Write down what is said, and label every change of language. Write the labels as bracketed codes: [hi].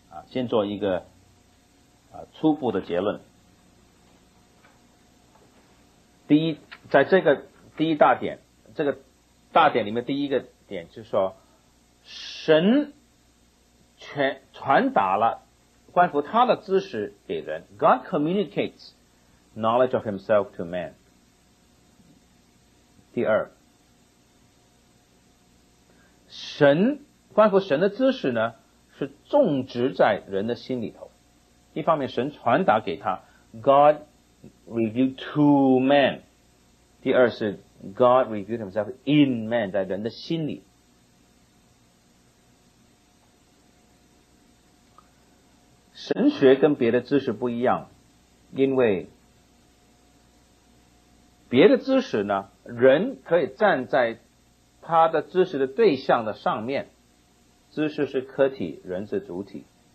[zh] 先做一个初步的结论。第一，在这个第一大点，这个大点里面第一个点就是说，神传达了关乎他的知识给人。 [en] God communicates knowledge of himself to man。 [zh] 第二，神关乎神的知识呢，是种植在人的心里头。一方面神传达给他 [en] God revealed to man， [zh] 第二是 [en] God revealed himself in man， [zh] 在人的心里。神学跟别的知识不一样，因为别的知识呢，人可以站在他的知识的对象的上面，知识是客体，人是主体。